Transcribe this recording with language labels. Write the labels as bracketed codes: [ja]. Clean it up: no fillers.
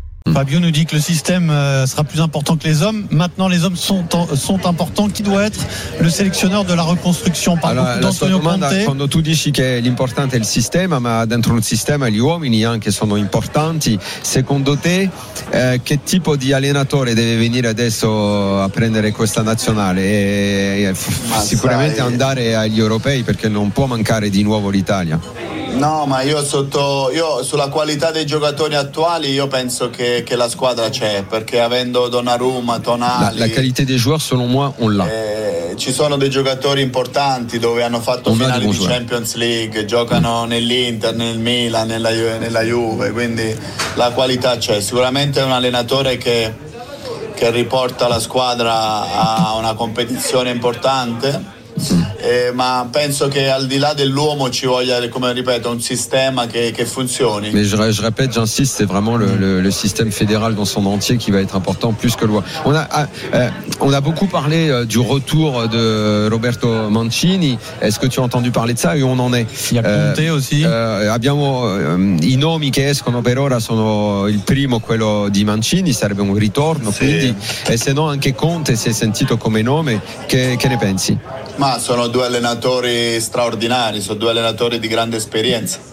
[fr] Fabio nous dit que le système sera plus important que les hommes. Maintenant, les hommes sont importants. Qui doit être le sélectionneur de la reconstruction? Quand tu dis que l'important est le système, mais dans le système, les hommes, il y a qui sont importants. [it] Secondo te, quel type d'allenateur deve venir adesso a prendere questa nazionale? Sicuramente andare agli europei, perché non può mancare di nuovo l'Italia. No, ma io sulla qualità dei giocatori attuali, io penso che la squadra c'è, perché avendo Donnarumma, Tonali, la qualità dei giocatori, secondo me, on l'ha. Ci sono dei giocatori importanti dove hanno fatto finali di Champions League, giocano nell'Inter, nel Milan, nella Juve, quindi la qualità c'è. Sicuramente è un allenatore che riporta la squadra a una competizione importante. Ma penso che al di là dell'uomo ci voglia, come ripeto, un sistema che funzioni. [fr] Mais je répète, j'insiste, c'est vraiment le système fédéral dans son entier qui va être important plus que loin. On a beaucoup parlé du retour de Roberto Mancini. Est-ce que tu as entendu parler de ça? Et on en est. Il y a Conte aussi. [it] Abbiamo i nomi che escono per ora sono il primo, quello di Mancini, sarebbe un ritorno. Sì. Quindi, e se no anche Conte si è sentito come nome. Che ne pensi? Ma sono due allenatori straordinari, sono due allenatori di grande esperienza.